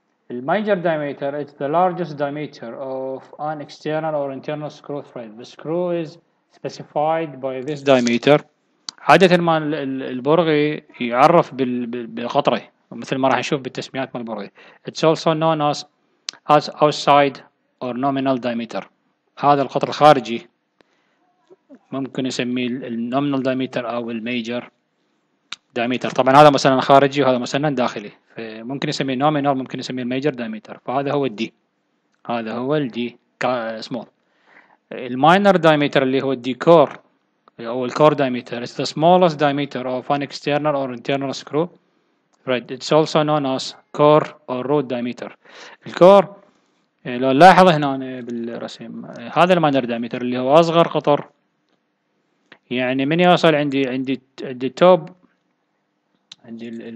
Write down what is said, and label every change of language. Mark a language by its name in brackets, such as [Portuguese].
[English] الميجر diameter is the largest diameter of an external or internal screw thread. The screw is specified by this diameter. [Arabic] عادة ما البرغي يعرف بالقطرة، مثل ما راح نشوف بالتسميات مال البرغي. [English] It's also known as outside or nominal diameter. [Arabic] هذا القطر الخارجي ممكن نسميه النومينال دايمتر او الميجر دايمتر. طبعا هذا مسنن خارجي وهذا مسنن داخلي، فممكن نسميه نومينال ممكن نسميه الميجر دايمتر. فهذا هو الدي، هذا هو الدي سمول. الماينر دايمتر اللي هو الديكور او الكور دايمتر [English] is the smallest diameter of an external or internal screw. Right, it's also known as core or root diameter. [Arabic] الكور لو نلاحظ هنا بالرسم هذا الماينر دايمتر اللي هو اصغر قطر، يعني من يوصل عندي التوب، عندي